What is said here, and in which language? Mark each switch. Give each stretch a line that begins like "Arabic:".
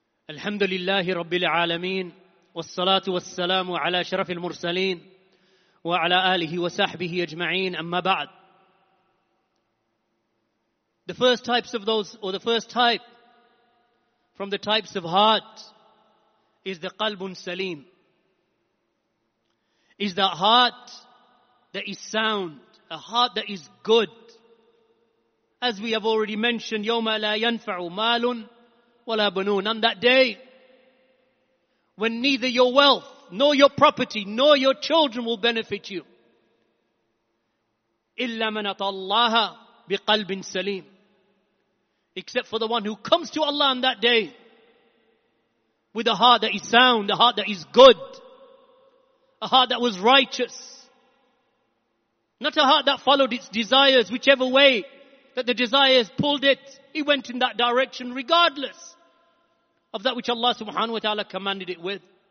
Arabic: الحمد لله رب العالمين والصلاة والسلام على شرف المرسلين وعلى آله وصحبه أجمعين.
English: أما بعد, the first types of those, or the first type from the types of heart, is the qalbun salim. is the heart that is sound, a heart that is good. As we have already mentioned, يَوْمَ لَا يَنْفَعُ مَالٌ وَلَا بَنُونَ. On that day, when neither your wealth, nor your property, nor your children will benefit you, إِلَّا مَنَطَ اللَّهَ بِقَلْبٍ سَلِيمٍ. Except for the one who comes to Allah on that day with a heart that is sound, a heart that is good, a heart that was righteous, not a heart that followed its desires, whichever way that the desires pulled it, it went in that direction regardless of that which Allah subhanahu wa ta'ala commanded it with.